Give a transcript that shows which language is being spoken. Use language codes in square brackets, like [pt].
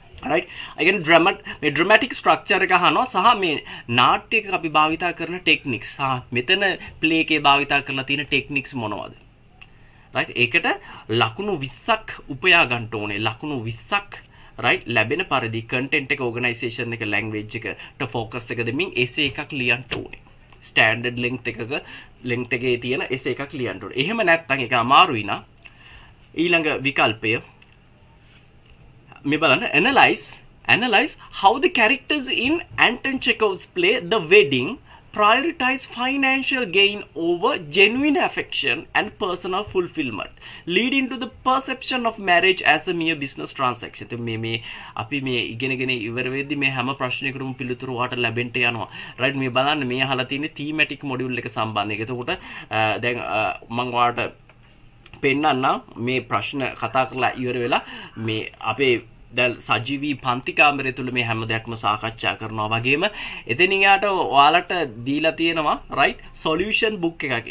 [en] right again dramatic structure [si] එක අහනවා, සහ මේ නාට්‍යයක අපි භාවිතා කරන ටෙක්නික්ස්, සහ මෙතන ප්ලේ එකේ භාවිතා කරන තියෙන ටෙක්නික්ස් මොනවද right. ඒකට ලකුණු 20ක් උපයා ගන්න ඕනේ. ලකුණු 20ක් රයිට් ලැබෙන පරිදි කටෙන්ට් එක ඕගනයිසේෂන් එක ලැංග්වේජ් එකට ෆෝකස් එක දෙමින් එසේ එකක් ලියන්න ඕනේ. ස්ටෑන්ඩඩ් ලිංක් එකක ලිංක් එකේ තියෙන එසේ එකක් ලියන්න ඕනේ. එහෙම නැත්නම් ඒක අමාරුයි නා. ඊළඟ විකල්පය මේ බලන්න [en] analyze how the characters in Anton Chekhov's play The Wedding prioritize financial gain over genuine affection and personal fulfillment leading to the perception of marriage as a mere business transaction. [si] මේ අපි මේ ඉගෙනගෙන ඉවර වෙද්දි මේ හැම ප්‍රශ්නයකටම පිළිතුරු වාට ලැබෙන්න යනවා. රයිට් මේ බලන්න මේ අහලා තියෙන්නේ thematic module එක සම්බන්ධයි. එතකොට දැන් මම ඔයාලට පෙන්නන්නම් මේ ප්‍රශ්න කතා කරලා ඉවර වෙලා මේ අපේ දැන් සජීවී පන්ති කාමරය තුළ මේ හැම දෙයක්ම සාකච්ඡා කරනවා වගේම එතනින් යාට ඔයාලට දීලා තියෙනවා රයිට් සොලියුෂන් බුක් එකක්.